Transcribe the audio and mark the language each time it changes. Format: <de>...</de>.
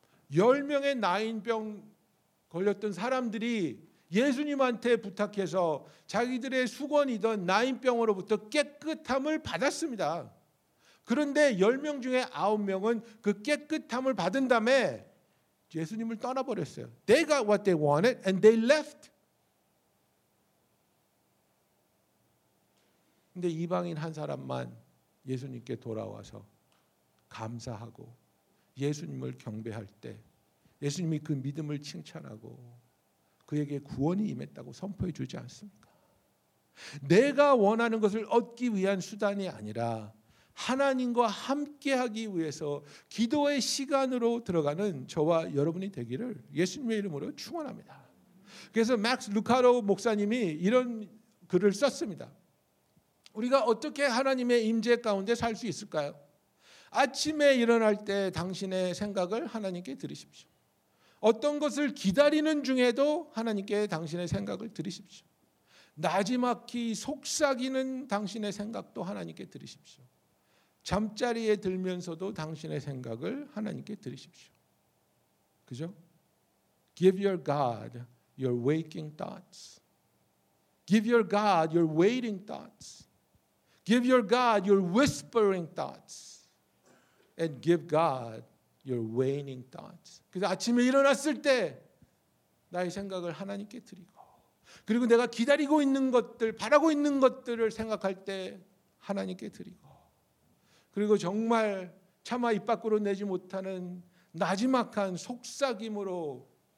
<ko>10명의 나인병 걸렸던 사람들이 예수님한테 부탁해서 자기들의 수건이던 나인병으로부터 깨끗함을 받았습니다. 그런데 10명 중에 9명은 그 깨끗함을 받은 다음에 예수님을 떠나버렸어요.</ko> <en>They got what they wanted and they left.</en> <ko>그런데 이방인 한 사람만 예수님께 돌아와서 감사하고 예수님을 경배할 때 예수님이 그 믿음을 칭찬하고 그에게 구원이 임했다고 선포해 주지 않습니까? 내가 원하는 것을 얻기 위한 수단이 아니라 하나님과 함께하기 위해서 기도의 시간으로 들어가는 저와 여러분이 되기를 예수님의 이름으로 축원합니다. 그래서 맥스 루카로 목사님이 이런 글을 썼습니다. 우리가 어떻게 하나님의 임재 가운데 살 수 있을까요? 아침에 일어날 때 당신의 생각을 하나님께 드리십시오. 어떤 것을 기다리는 중에도 하나님께 당신의 생각을 드리십시오. 나지막히 속삭이는 당신의 생각도 하나님께 드리십시오. 잠자리에 들면서도 당신의 생각을 하나님께 드리십시오. 그죠?</ko> <en>Give your God your waking thoughts. Give your God your waiting thoughts. Give your God your whispering thoughts. And give God your waning thoughts.</en> <ko>그래서 아침에 일어났을 때 나의 생각을 하나님께 드리고 그리고 내가 기다리고 있는 것들, 바라고 있는 것들을 생각할 때 하나님께 드리고 그리고 정말 차마 입 밖으로 내지 못하는 나지막한 속삭임으로</ko>